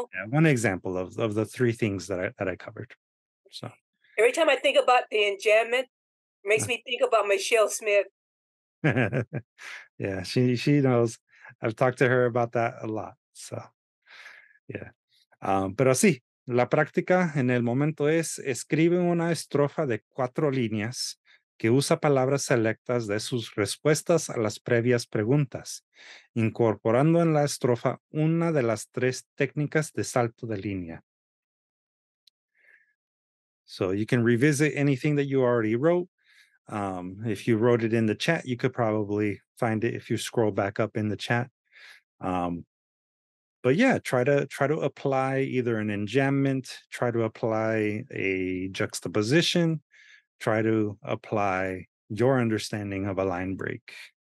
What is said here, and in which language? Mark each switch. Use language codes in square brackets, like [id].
[en] One example of the 3 things that I covered. So every time I think about the enjambment, it makes me think about Michelle Smith. Yeah, she knows. I've talked to her about that a lot. So yeah. [es] Pero sí, la práctica en el momento es escribe una estrofa de 4 líneas que usa palabras selectas de sus respuestas a las previas preguntas, incorporando en la estrofa una de las 3 técnicas de salto de línea. [en] So you can revisit anything that you already wrote. If you wrote it in the chat, you could probably find it if you scroll back up in the chat. But yeah, try to apply either an enjambment, try to apply a juxtaposition, try to apply your understanding of a line break.